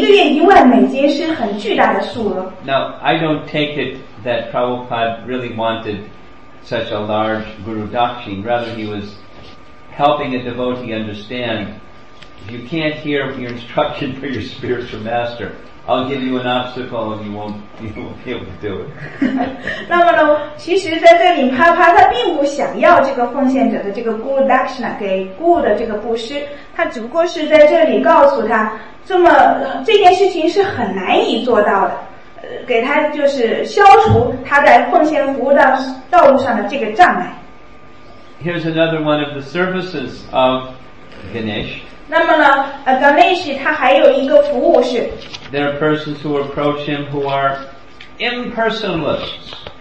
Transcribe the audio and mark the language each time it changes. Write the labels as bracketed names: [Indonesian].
[Chinese] 因为在那个时候，一万美金，一个月一万美金是很巨大的数额。 [English] Now, I don't take it that Prabhupada really wanted such a large Guru Dakshin. Rather, he was helping a devotee understand, if you can't hear your instruction for your spiritual master, I'll give you an obstacle and you won't be able to do it. [Chinese] 那么呢，其实在这里，帕帕他并不想要这个奉献者的这个Guru Dakshina给Guru的这个布施，他只不过是在这里告诉他，这么这件事情是很难以做到的，给他就是消除他在奉献服务道路上的这个障碍。 [English] Here's another one of the services of Ganesh. [Chinese] 那么呢，Ganesh他还有一个服务是。 [English] There are persons who approach him who are impersonalists.